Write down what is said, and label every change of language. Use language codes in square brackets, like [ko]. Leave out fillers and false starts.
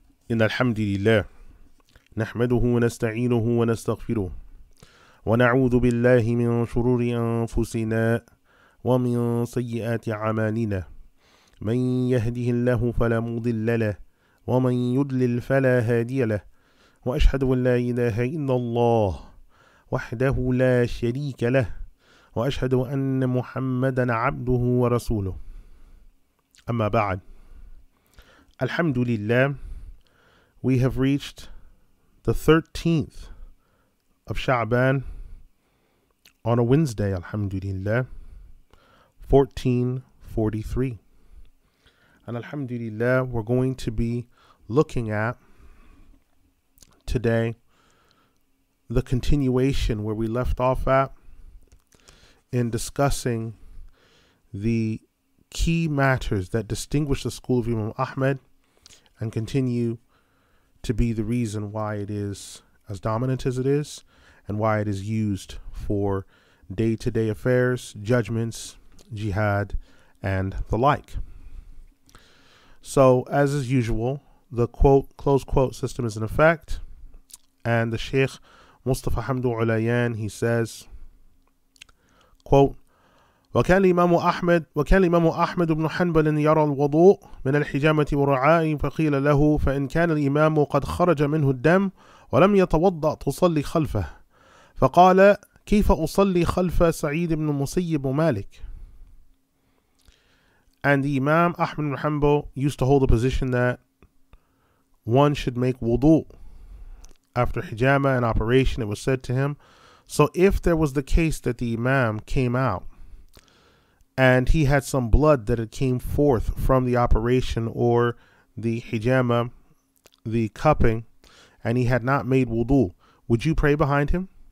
[ar] إن الحمد لله نحمده ونستعينه ونستغفره ونعوذ بالله من شرور أنفسنا ومن سيئات أعمالنا من يهده الله فلا مضل له ومن يضلل فلا هادي له وأشهد أن لا إله إلا الله وحده لا شريك له وأشهد أن محمدا عبده ورسوله أما بعد الحمد لله. [en] We have reached the 13th of Sha'ban on a Wednesday, alhamdulillah, 1443. And alhamdulillah, we're going to be looking at today the continuation where we left off at in discussing the key matters that distinguish the school of Imam Ahmad and continue to be the reason why it is as dominant as it is and why it is used for day-to-day affairs, judgments, jihad, and the like. So, as is usual, the quote, close quote system is in effect, and the Shaykh Mustafa Hamdu Ulayyan, he says, quote, [ar] وكان الإمام أحمد وكان الإمام أحمد بن حنبل يرى الوضوء من الحجامة ورعاء فقيل له فإن كان الإمام قد خرج منه الدم ولم يتوضأ تصلي خلفه فقال كيف أصلي خلف سعيد بن المسيب ومالك. [en] And the Imam Ahmad bin Hanbal used to hold the position that one should make wudu after hijama and operation, it was said to him. So if there was the case that the Imam came out and he had some blood that had came forth from the operation or the hijama, the cupping, and he had not made wudu, would you pray behind him?